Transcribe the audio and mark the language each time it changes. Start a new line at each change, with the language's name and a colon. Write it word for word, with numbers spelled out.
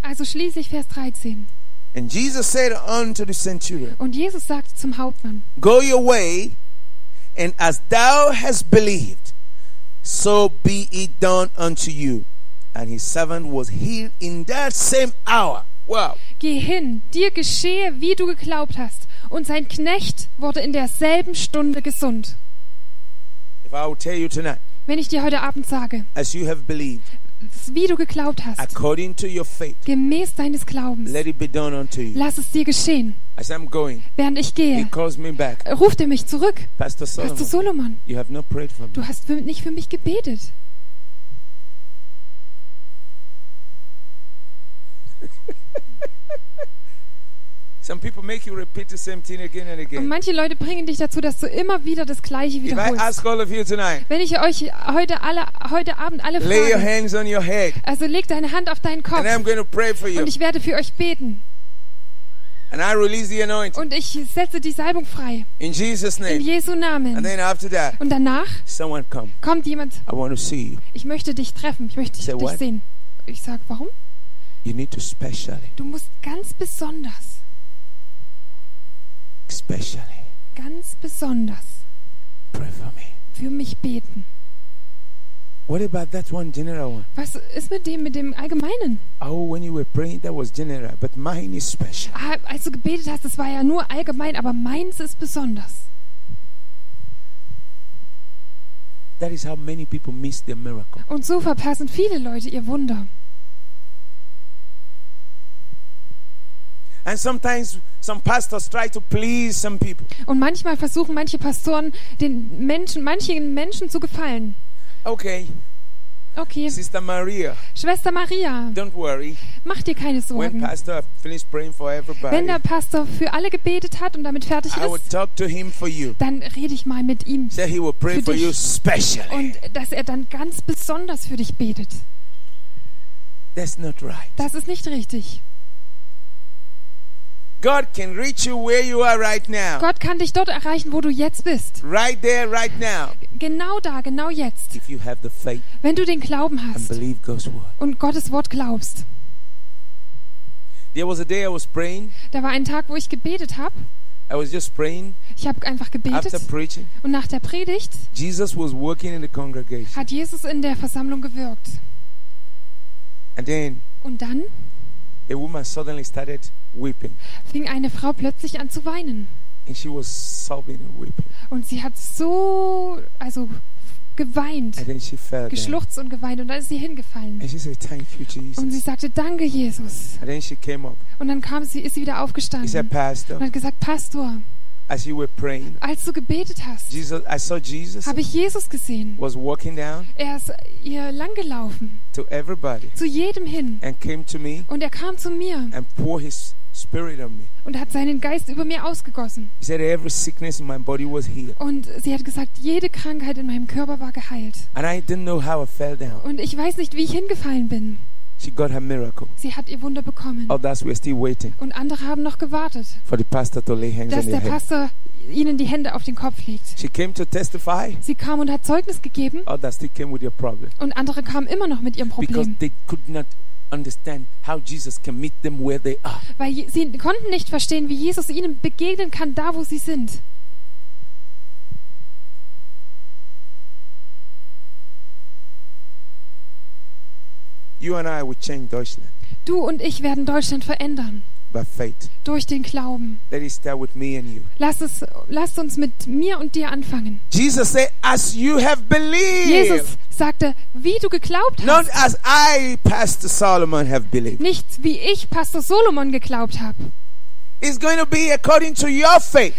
German: Also schließlich Vers dreizehn.
English: And Jesus said unto the centurion,
German: Und Jesus sagt zum Hauptmann,
English: "Go your way, and as thou hast believed, so be it done unto you." And his servant was healed in that same hour. Wow.
German: Geh hin, dir geschehe, wie du geglaubt hast, und sein Knecht wurde in derselben Stunde gesund.
English: If I will tell you tonight,
German: Wenn ich dir heute Abend sage,
English: as you have believed,
German: Es ist, wie du geglaubt hast.
English: According to your faith,
German: Gemäß deines Glaubens.
English: let it be done unto you.
German: Lass es dir geschehen.
English: As I'm going,
German: Während ich gehe,
English: he calls me back.
German: ruft er mich zurück.
English: Pastor
German: Pastor
English: Solomon,
German: Solomon,
English: you have not prayed for
German: du
English: me.
German: hast für, nicht für mich gebetet.
English: Some people make you repeat the same thing again and again.
German: Und manche Leute bringen dich dazu, dass du immer wieder das Gleiche
English: If I
German: wiederholst.
English: ask all of you tonight,
German: Wenn ich euch heute alle, heute Abend alle
English: lay your
German: frage,
English: hands on your head,
German: also leg deine Hand auf deinen Kopf
English: and I'm gonna pray for you.
German: und ich werde für euch beten.
English: And I release the anointing.
German: Und ich setze die Salbung frei.
English: In Jesus'
German: In
English: name.
German: Jesu Namen.
English: And then after that,
German: Und danach
English: someone come.
German: kommt jemand.
English: I wanna see you.
German: Ich möchte dich treffen. Ich möchte
English: Say
German: dich
English: what?
German: sehen. Ich sag, warum?
English: You need to specially
German: Du musst ganz besonders
English: Especially
German: Ganz besonders
English: pray for me.
German: für mich beten.
English: What about that one general one?
German: Was ist mit dem, mit dem Allgemeinen?
English: Oh, when you were praying, that was general, but mine is special.
German: Ah, als du gebetet hast, das war ja nur allgemein, aber meins ist besonders.
English: That is how many people miss the miracle.
German: Und so verpassen viele Leute ihr Wunder.
English: And sometimes some pastors try to please some people.
German: Und manchmal versuchen manche Pastoren, den Menschen, manchen Menschen zu gefallen.
English: Okay.
German: Okay.
English: Sister Maria.
German: Schwester Maria.
English: Don't worry.
German: Mach dir keine Sorgen.
English: When pastor finish praying for everybody,
German: Wenn der Pastor für alle gebetet hat und damit fertig
English: I will
German: ist,
English: talk to him for you.
German: dann rede ich mal mit ihm
English: Say he will pray
German: für
English: for
German: dich.
English: you specially.
German: Und dass er dann ganz besonders für dich betet.
English: That's not right.
German: Das ist nicht richtig.
English: God can reach you where you are right now.
German: Gott kann dich dort erreichen, wo du jetzt bist.
English: Right there, right now.
German: Genau da, genau jetzt.
English: If you have the faith
German: Wenn du den Glauben
English: and
German: hast
English: believe God's word.
German: und Gottes Wort glaubst.
English: There was a day I was praying.
German: Da war ein Tag, wo ich gebetet hab.
English: I was just praying.
German: Ich hab einfach gebetet.
English: After preaching,
German: Und nach der Predigt
English: Jesus was working in the congregation.
German: hat Jesus in der Versammlung gewirkt.
English: And then
German: Und dann
English: A woman suddenly started weeping.
German: Fing eine Frau plötzlich an zu weinen.
English: And she was sobbing and weeping.
German: Und sie hat so, also geweint,
English: And then she fell down.
German: geschluchzt und geweint und dann ist sie hingefallen.
English: And she said, "Thank you, Jesus."
German: Und sie sagte, "Danke, Jesus."
English: And then she came up.
German: Und dann kam sie, ist sie wieder
English: She said,
German: aufgestanden.
English: "Pastor."
German: Und hat gesagt, "Pastor."
English: as you were praying.
German: Als du gebetet hast,
English: Jesus, I saw Jesus
German: habe ich Jesus gesehen.
English: was walking down
German: Er ist hier langgelaufen
English: to everybody
German: zu jedem hin.
English: and came to me
German: Und er kam zu mir
English: and poured his spirit on me.
German: und hat seinen Geist über mir ausgegossen.
English: He said, "Every sickness in my body was healed."
German: Und sie hat gesagt, jede Krankheit in meinem Körper war geheilt.
English: And I didn't know how I fell down.
German: Und ich weiß nicht, wie ich hingefallen bin.
English: She, God had miracle.
German: Sie hat ihr Wunder bekommen.
English: Others were still waiting
German: Und andere haben noch gewartet.
English: for the pastor to lay hands
German: Dass
English: on their
German: der Pastor ihnen die Hände auf den Kopf legt.
English: She came to testify.
German: Sie kam und hat Zeugnis gegeben.
English: Others still came with their problem.
German: Und andere kamen immer noch mit ihrem Problem.
English: Because they could not understand how Jesus can meet them where they are.
German: Weil sie konnten nicht verstehen, wie Jesus ihnen begegnen kann, da wo sie sind.
English: You and I will change Deutschland.
German: Du und ich werden Deutschland verändern.
English: By faith.
German: Durch den Glauben.
English: Let it start with me and you.
German: Lass es, lasst uns mit mir und dir anfangen.
English: Jesus said, "As you have believed."
German: Jesus sagte, wie du geglaubt
English: Not
German: hast.
English: as I, Pastor Solomon, have believed.
German: Nicht wie ich, Pastor Solomon, geglaubt habe.
English: is going to be according to your faith.